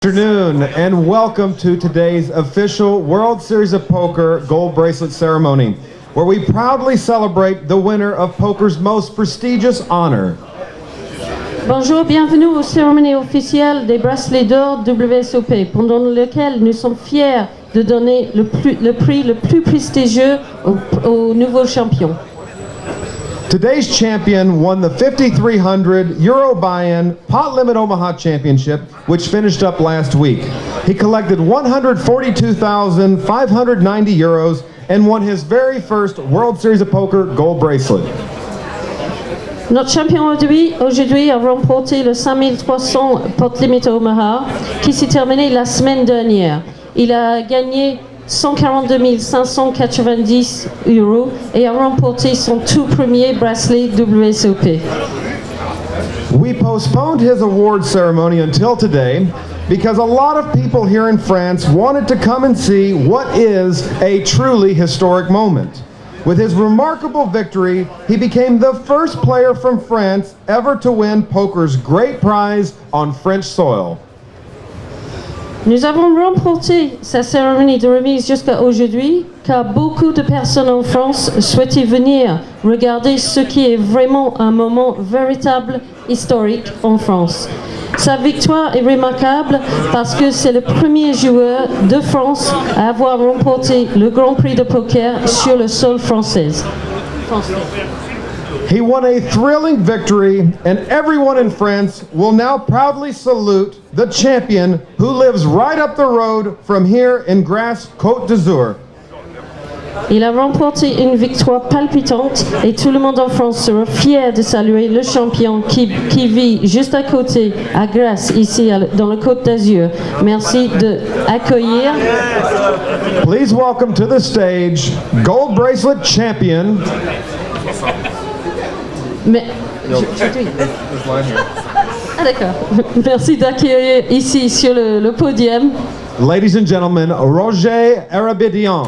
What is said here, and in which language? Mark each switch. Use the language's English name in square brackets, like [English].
[English] Good afternoon and welcome to today's official World Series of Poker Gold Bracelet Ceremony, where we proudly celebrate the winner of poker's most prestigious honor. [French] Bonjour, bienvenue aux cérémonies officielles des bracelets d'or WSOP, pendant lequel nous sommes fiers de donner le prix le plus prestigieux aux nouveaux champions. [English] Today's champion won the 5,300 Euro buy-in Pot Limit Omaha Championship, which finished up last week. He collected 142,590 euros and won his very first World Series of Poker gold bracelet. [French] Notre champion aujourd'hui a remporté le 5,300 Pot Limit Omaha, qui s'est terminé la semaine dernière. Il a gagné 142,590 euros et a remporté son tout premier bracelet WSOP. [English] We postponed his award ceremony until today because a lot of people here in France wanted to come and see what is a truly historic moment. With his remarkable victory, he became the first player from France ever to win poker's great prize on French soil. [French] Nous avons remporté sa cérémonie de remise jusqu'à aujourd'hui car beaucoup de personnes en France souhaitaient venir regarder ce qui est vraiment un moment véritable historique en France. Sa victoire est remarquable parce que c'est le premier joueur de France à avoir remporté le Grand Prix de poker sur le sol français. [English] He won a thrilling victory, and everyone in France will now proudly salute the champion who lives right up the road from here in Grasse, Côte d'Azur. [French] Il a remporté une victoire palpitante, et tout le monde en France sera fier de saluer le champion qui vit juste à côté, à Grasse, ici dans le Côte d'Azur. Merci de accueillir. [English] Please welcome to the stage, gold bracelet champion. [French] Mais je d'accord. Merci d'accueillir ici sur le podium. [English] Ladies and gentlemen, Roger Hairabedian.